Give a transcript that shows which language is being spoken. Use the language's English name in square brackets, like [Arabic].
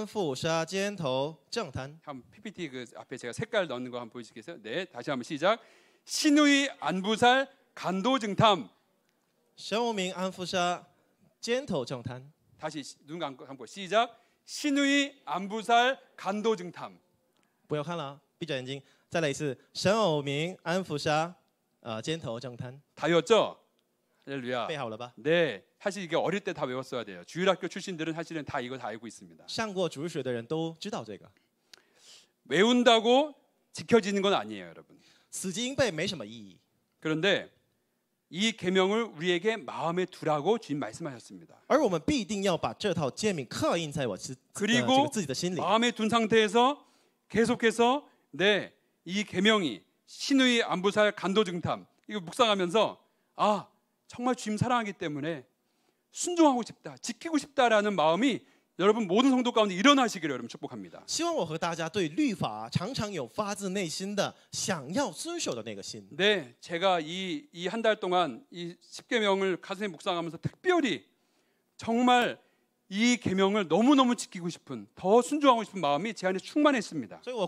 [Chinese] 大家一起来跟着我说神偶明安富沙尖头正滩。 [Korean] 한번 PPT 그 앞에 제가 색깔 넣는 거 한번 보여주시겠어요? 네, 다시 한번 시작. 신우이 안부살 간도증탐. [Chinese] 신우밍 안부사 젠토정탄. [Korean] 다시 눈 감고 한번 시작. 신우이 안부살 간도증탐. [Chinese] 不要看了，闭着眼睛，再来一次。神偶明安부사젠토정탄. [Korean] 다 외웠죠? 할렐루야. [Chinese] 背好了吧? [Korean] 네, 사실 이게 어릴 때 다 외웠어야 돼요. 주일학교 출신들은 사실은 다 이거 다 알고 있습니다. [Chinese] 上过主日学的人都知道这个. [Korean] 외운다고 지켜지는 건 아니에요, 여러분. [Chinese] 死记硬背没什么意义。 [Korean] 그런데 이 계명을 우리에게 마음에 두라고 주님 말씀하셨습니다. [Chinese] 而我们必定要把这套诫命刻印在我自己的心里。 [Korean] 그리고 마음에 둔 상태에서 계속해서 네, 이 계명이 신의 안부살 간도증탐 이거 묵상하면서 아 정말 주님 사랑하기 때문에 순종하고 싶다, 지키고 싶다라는 마음이 여러분 모든 성도 가운데 일어나시기를 여러분 축복합니다. [Chinese] 希望我和大家对律法常常有发自内心的想要遵守的那个心。 [Korean] 네, 제가 이 한 달 동안 이 십계명을 가슴에 묵상하면서 특별히 정말 이 계명을 너무 너무 지키고 싶은 더 순종하고 싶은 마음이 제 안에 충만했습니다.